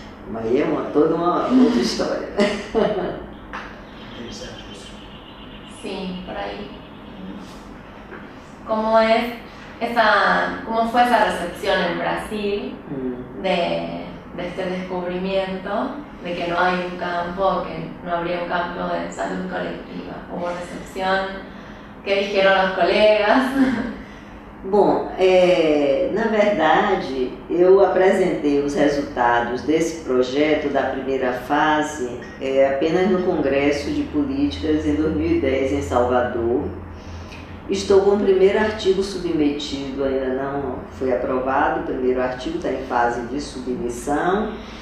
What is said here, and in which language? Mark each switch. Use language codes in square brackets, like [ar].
[pt] Mas aí é toda uma outra história. Sim, por aí. Como é essa, como foi essa recepção no Brasil [es] de este [pt] descobrimento? [es] De que no hay un campo, que no habría un campo de salud colectiva. ¿Hubo recepción? ¿Qué dijeron los colegas? [pt] Bom, na verdade, eu apresentei os resultados desse projeto da primeira fase apenas no Congresso de Políticas em 2010 em Salvador. Estou com o primeiro artigo submetido, ainda não foi aprovado, o primeiro artigo está em fase de submissão.